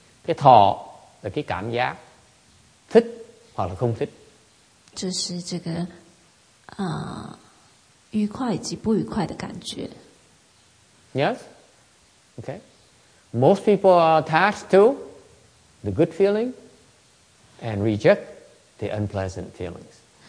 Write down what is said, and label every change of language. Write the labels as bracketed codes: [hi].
[vi] Cái thọ là cái cảm giác thích hoặc là không thích. [zh] 就是这个, 愉快及不愉快的感觉. [en] Yes? Okay. Most people are attached to the good feeling and reject the unpleasant feelings.